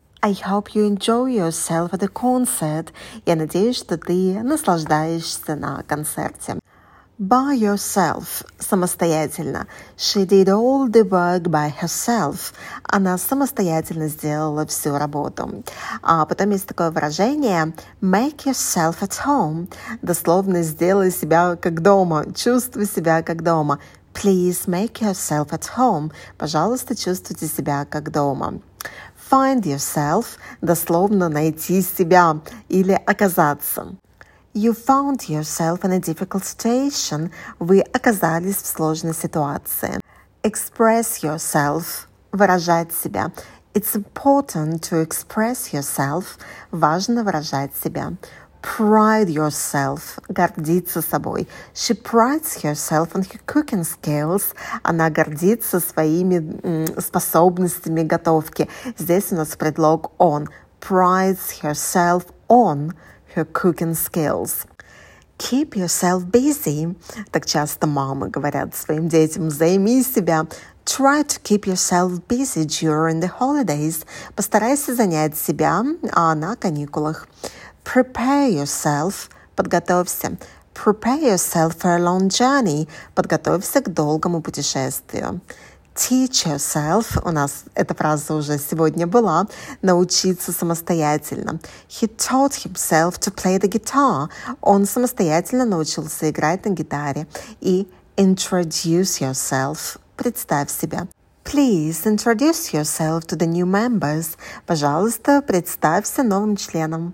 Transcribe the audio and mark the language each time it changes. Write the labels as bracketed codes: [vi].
[en] I hope you enjoy yourself at the concert. [ru] Я надеюсь, что ты наслаждаешься на концерте. [en] By yourself. [ru] Самостоятельно. [en] She did all the work by herself. [ru] Она самостоятельно сделала всю работу. А потом есть такое выражение [en] make yourself at home. [ru] Дословно сделай себя как дома. Чувствуй себя как дома. [en] Please make yourself at home. [ru] Пожалуйста, чувствуйте себя как дома. [en] Find yourself. [ru] Дословно найти себя или оказаться. [en] You found yourself in a difficult situation. [ru] Вы оказались в сложной ситуации. [en] Express yourself. [ru] Выражать себя. [en] It's important to express yourself. [ru] Важно выражать себя. [en] Pride yourself. [ru] Гордиться собой. [en] She prides herself on her cooking skills. [ru] Она гордится своими способностями готовки. Здесь у нас предлог [en] on. Prides herself on. Her cooking skills. Keep yourself busy. [ru] Так часто мамы говорят своим детям, займи себя. [en] Try to keep yourself busy during the holidays. [ru] Постарайся занять себя на каникулах. [en] Prepare yourself. [ru] Подготовься. [en] Prepare yourself for a long journey. [ru] Подготовься к долгому путешествию. [en] teach yourself, [ru] у нас эта фраза уже сегодня была, научиться самостоятельно. [en] He taught himself to play the guitar. [ru] Он самостоятельно научился играть на гитаре. И [en] introduce yourself, [ru] представь себя. [en] Please introduce yourself to the new members. [ru] Пожалуйста, представься новым членам.